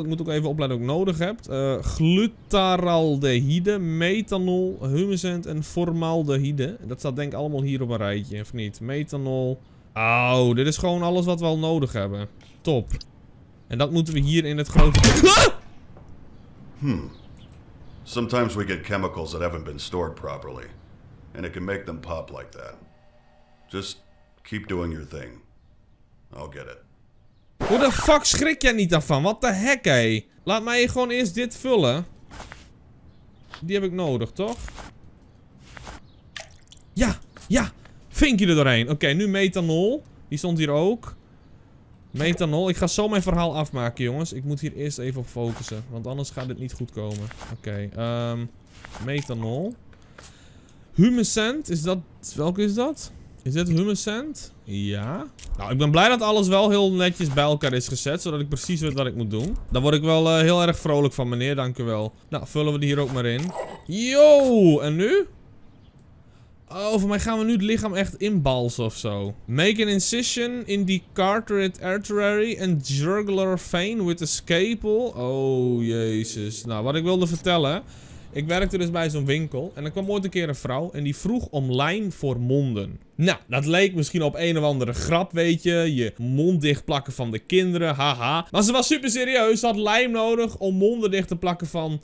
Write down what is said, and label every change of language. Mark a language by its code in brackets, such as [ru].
[nl] Ik moet ook even opletten wat ik nodig heb. Glutaraldehyde, methanol, humusent en formaldehyde. Dat staat denk ik allemaal hier op een rijtje, of niet? Methanol. Au, oh, dit is gewoon alles wat we al nodig hebben. Top. En dat moeten we hier in het grote... [en] Sometimes we get chemicals that haven't been stored properly. And it can make them pop like that. Just keep doing your thing. I'll get it. [nl] Hoe de fuck schrik jij niet daarvan? Wat de heck, hé? Laat mij gewoon eerst dit vullen. Die heb ik nodig, toch? Ja, ja. Vinkje er doorheen. Oké, nu methanol. Die stond hier ook. Methanol. Ik ga zo mijn verhaal afmaken, jongens. Ik moet hier eerst even op focussen. Want anders gaat dit niet goed komen. Oké, methanol. Humusent. Is dat... Welke is dat? Is dit humusent? Ja. Nou, ik ben blij dat alles wel heel netjes bij elkaar is gezet. Zodat ik precies weet wat ik moet doen. Daar word ik wel heel erg vrolijk van, meneer. Dank u wel. Nou, vullen we die hier ook maar in. Yo! En nu? Oh, voor mij gaan we nu het lichaam echt inbalsen of zo. [en] Make an incision in the carotid artery and jugular vein with a scalpel. [nl] Oh, jezus. Nou, wat ik wilde vertellen. Ik werkte dus bij zo'n winkel. En er kwam ooit een keer een vrouw en die vroeg om lijm voor monden. Nou, dat leek misschien op een of andere grap, weet je. Je mond dicht plakken van de kinderen, haha. Maar ze was super serieus. Ze had lijm nodig om monden dicht te plakken van...